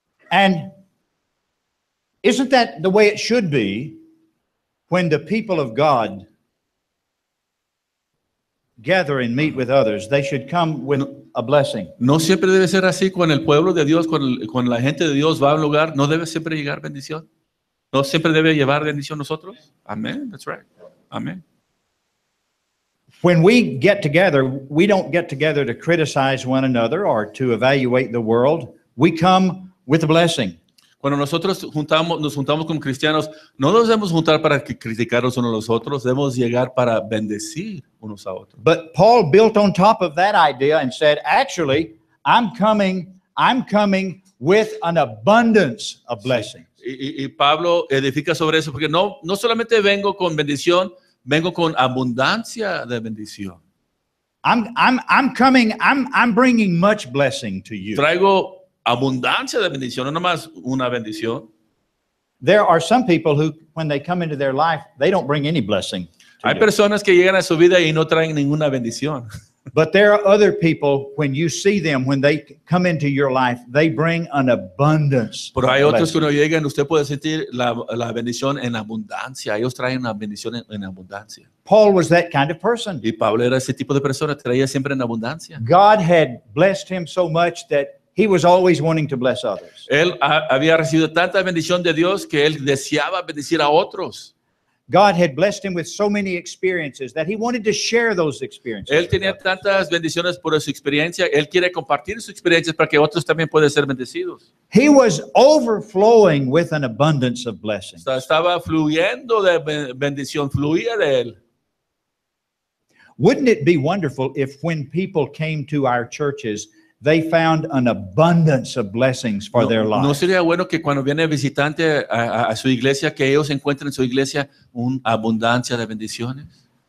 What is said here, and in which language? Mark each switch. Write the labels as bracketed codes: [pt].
[en] And isn't that the way it should be when the people of God gather and meet with others? They should come with a blessing. [es] No siempre debe ser así con el pueblo de Dios, con la gente de Dios va a un lugar. No debe siempre llegar bendición. No siempre debe llevar bendición nosotros. Amen. [en] That's right. [es] Amen. [en] When we get together, we don't get together to criticize one another or to evaluate the world. We come with a blessing. [es] Cuando nosotros nos juntamos con cristianos, no nos debemos juntar para criticarnos unos a los otros, debemos llegar para bendecir unos a otros. [en] But Paul built on top of that idea and said, actually, I'm coming with an abundance of blessing. [es] Y Pablo edifica sobre eso porque no solamente vengo con bendición, vengo con abundancia de bendición. [en] I'm bringing much blessing to you. [es] Traigo abundancia de bendición, no más una bendición. [en] There are some people who, when they come into their life, they don't bring any blessing. [es] Hay personas que llegan a su vida y no traen ninguna bendición. [en] But there are other people, when you see them, when they come into your life, they bring an abundance. [es] Pero hay otros que cuando llegan, usted puede sentir la bendición en abundancia. Ellos traen una bendición en abundancia. [en] Paul was that kind of person. [es] Y Pablo era ese tipo de persona, traía siempre en abundancia. [en] God had blessed him so much that he was always wanting to bless others. [es] Él había recibido tanta bendición de Dios que él deseaba bendecir a otros. [en] God had blessed him with so many experiences that he wanted to share those experiences. [es] Él tenía tantas bendiciones por su experiencia. Él quiere compartir sus experiencias para que otros también puedan ser bendecidos. [en] He was overflowing with an abundance of blessings. [es] Estaba fluyendo de bendición, fluía de él. [en] Wouldn't it be wonderful if when people came to our churches, they found an abundance of blessings for their lives? [es] No sería bueno que cuando viene visitante a su iglesia, que ellos encuentren en su iglesia una abundancia de bendiciones?